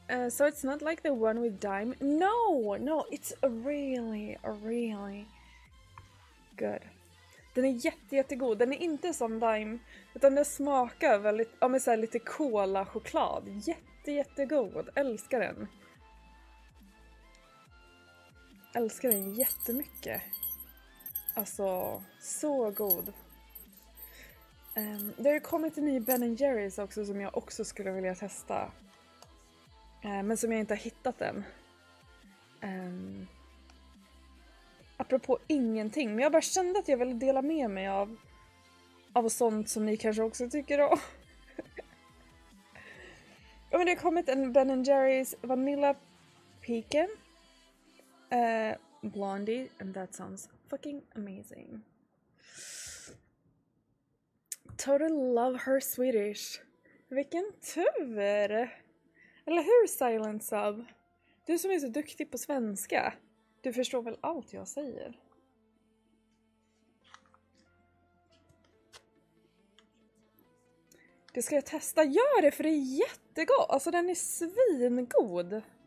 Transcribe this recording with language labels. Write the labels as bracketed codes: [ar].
[en] So it's not like the one with Dime? No, no, it's really, really good. [sv] Den är jättegod. Den är inte som Dime, utan den smakar väldigt, om jag säger lite cola choklad. Jättegod. Älskar den. Älskar den jättemycket. Alltså, så god. Det har ju kommit en ny Ben & Jerry's också som jag också skulle vilja testa. Men som jag inte har hittat än. Apropå ingenting, men jag bara kände att jag ville dela med mig av sånt som ni kanske också tycker om. Ja, men det har kommit en Ben & Jerry's Vanilla Pecan. [en] Blondie, and that sounds fucking amazing. Totally love her Swedish. [sv] Vilken tur! Eller hur, Silent Sub? Du som är så duktig på svenska. Du förstår väl allt jag säger? Det ska jag testa. Gör det, för det är jättegott. Alltså, den är svingod.